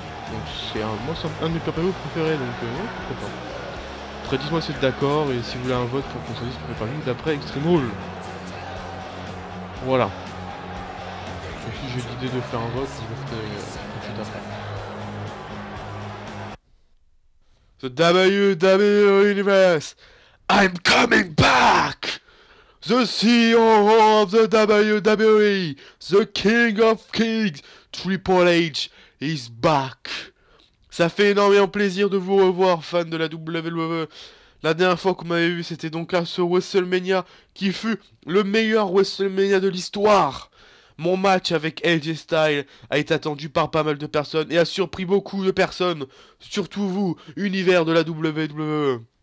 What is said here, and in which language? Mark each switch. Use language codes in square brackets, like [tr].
[fr] Donc c'est un de mes Pay-Per-View préférés, donc pourquoi pas. Après, dites-moi si vous êtes d'accord et si vous voulez un vote pour qu'on choisisse pour faire d'après Extreme Rule. Voilà. Et si j'ai l'idée de faire un vote, je le ferai tout de suite après. [en] The WWE Universe, I'm coming back! The CEO of the WWE, the King of Kings, Triple H, is back! [fr] Ça fait énormément plaisir de vous revoir, fans de la WWE. La dernière fois qu'on m'avait vu, c'était donc à ce WrestleMania qui fut le meilleur WrestleMania de l'histoire. Mon match avec AJ Styles a été attendu par pas mal de personnes et a surpris beaucoup de personnes, surtout vous, univers de la WWE.